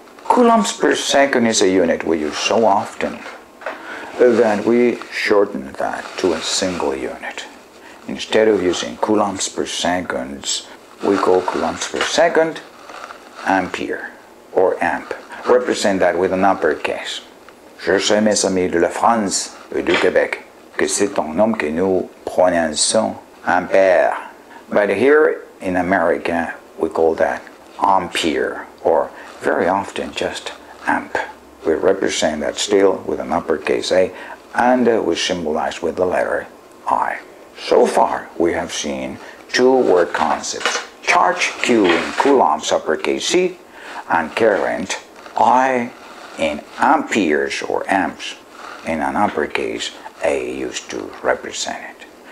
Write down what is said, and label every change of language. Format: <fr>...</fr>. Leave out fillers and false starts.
<en>Coulombs per second is a unit we use so often that we shorten that to a single unit. Instead of using coulombs per second, we call coulombs per second ampere or amp. Represent that with an uppercase.</en> <fr>Je sais mes amis de la France et du Québec que c'est un homme que nous prononçons ampère.</fr> <en>But here in America, we call that ampere or very often just amp. We represent that still with an uppercase A and we symbolize with the letter I. So far, we have seen 2 word concepts, charge Q in coulombs, uppercase C, and current I in amperes or amps in an uppercase A used to represent it.</en>